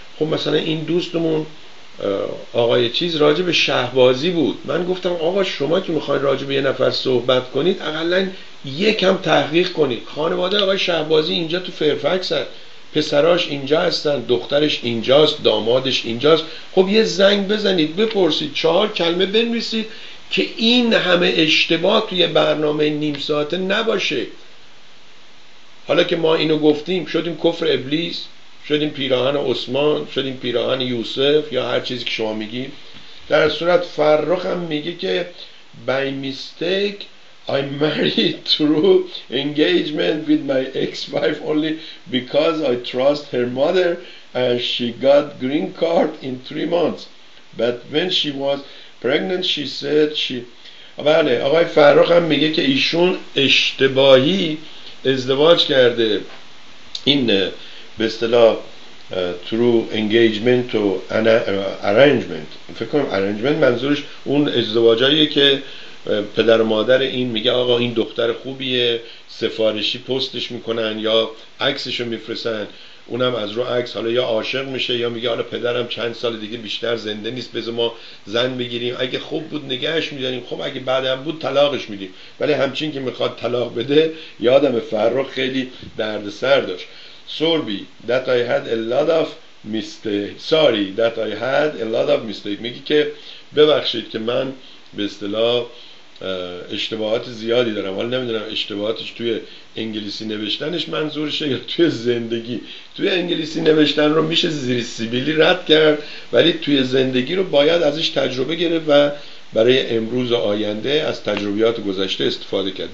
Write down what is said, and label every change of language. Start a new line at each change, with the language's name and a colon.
Persian: خب مثلا این دوستمون آقای چیز راجب شهبازی بود، من گفتم آقا شما که میخواید راجب یه نفر صحبت کنید اقلن یکم تحقیق کنید، خانواده آقای شهبازی اینجا تو فرفکس هست، پسراش اینجا هستن، دخترش اینجاست، دامادش اینجاست، خب یه زنگ بزنید بپرسید، چهار کلمه بنویسید که این همه اشتباه توی برنامه نیم ساعته نباشه. حالا که ما اینو گفتیم شدیم کفر ابلیس، شدیم پیراهن عثمان، شدیم پیراهن یوسف یا هر چیزی که شما میگی. در صورت فرخ هم میگه که
English: by mistake I married through engagement with my ex-wife only because I trust her mother and she got green card in 3 months but when she was pregnant she said she...
Persian: بله آقای فرخ هم میگه که ایشون اشتباهی ازدواج کرده، این به اصطلاح
English: through engagement و arrangement.
Persian: فکر کنم arrangement منظورش اون ازدواجاییه که پدر و مادر این میگه آقا این دختر خوبیه، سفارشی پستش میکنن یا عکسشو میفرستن، اونم از رو عکس حالا یا عاشق میشه یا میگه حالا پدرم چند سال دیگه بیشتر زنده نیست، بذار ما زن بگیریم، اگه خوب بود نگهش میداریم، خب اگه بعدم بود طلاقش میدیم. ولی همچین که میخواد طلاق بده، یادم فرخ خیلی درد سر داشت.
English: Sorry that I had a lot of mistake. Sorry that I had a lot of mistake.
Persian: میگه که ببخشید که من به اصطلاح اشتباهات زیادی دارم. حالا نمیدونم اشتباهاتش توی انگلیسی نوشتنش منظورشه یا توی زندگی. توی انگلیسی نوشتن رو میشه زیر سیبیلی رد کرد، ولی توی زندگی رو باید ازش تجربه گرفت و برای امروز و آینده از تجربیات گذشته استفاده کرد.